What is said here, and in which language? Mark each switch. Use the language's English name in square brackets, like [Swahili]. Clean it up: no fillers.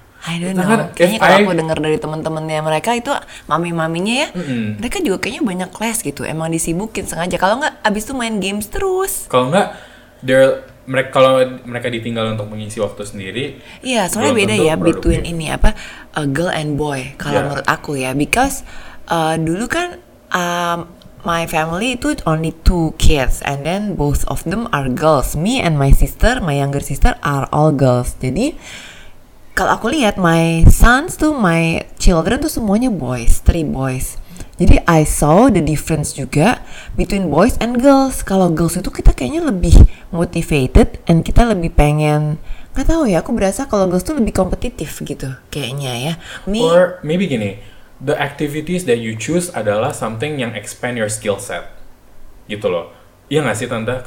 [English] I don't know. [Indonesian] Kayaknya kalau aku dengar dari teman-temannya mereka itu mami-maminya ya, mereka juga kayaknya banyak kelas gitu. Emang disibukin sengaja. Kalau enggak abis itu main games terus. Kalau enggak [English] they're [Indonesian] mereka, kalau mereka ditinggal untuk mengisi waktu sendiri. Iya, yeah, soalnya beda ya [English] between [Indonesian] ini apa [English] a girl and boy [Indonesian] kalau yeah. Menurut aku ya, [English] because [Indonesian] dulu kan [English] my family [Indonesian] itu [English] only two kids and then both of them are girls. Me and my younger sister are all girls. [Indonesian] Jadi kalau aku lihat [English] my sons tuh, my children [Indonesian] tuh semuanya [English] boys, three boys. [Indonesian] Jadi [English] I saw the difference [Indonesian] juga [English] between boys and girls. [Indonesian] Kalau girls itu kita kayaknya lebih [English] motivated and [Indonesian] kita lebih pengen, nggak tahu ya, aku berasa kalau girls tuh lebih kompetitif gitu kayaknya ya. [English] Or maybe [Indonesian] gini, [English] the activities that you choose [Indonesian] adalah [English] something [Indonesian] yang [English] expand your skill set [Indonesian] gitu loh. Iya nggak sih Tante?